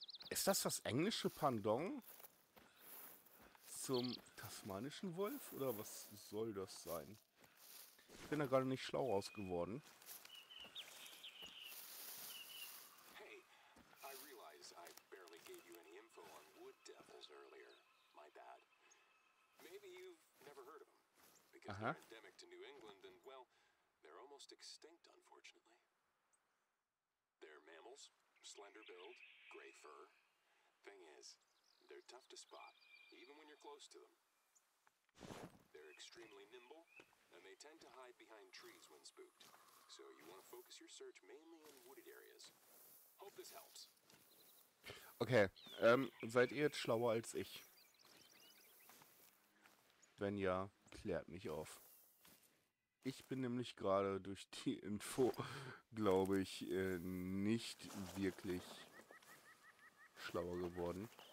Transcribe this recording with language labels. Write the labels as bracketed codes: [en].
[de] Ist das das englische Pendant zum tasmanischen Wolf oder was soll das sein? Ich bin da gerade nicht schlau raus geworden. [en] Hey, I realize I barely gave you any info on wood devils earlier. My bad. Maybe you've never heard of them. Because they're Aha. endemic to New England and, well, they're almost extinct, unfortunately. They're mammals, slender build, gray fur. Thing is, they're tough to spot, even when you're close to them. They're extremely nimble. And they tend to hide behind trees when spooked. So you want to focus your search mainly in wooded areas. Hope this helps. [de] Okay, seid ihr jetzt schlauer als ich? Wenn ja, klärt mich auf. Ich bin nämlich gerade durch die Info, glaube ich, nicht wirklich schlauer geworden.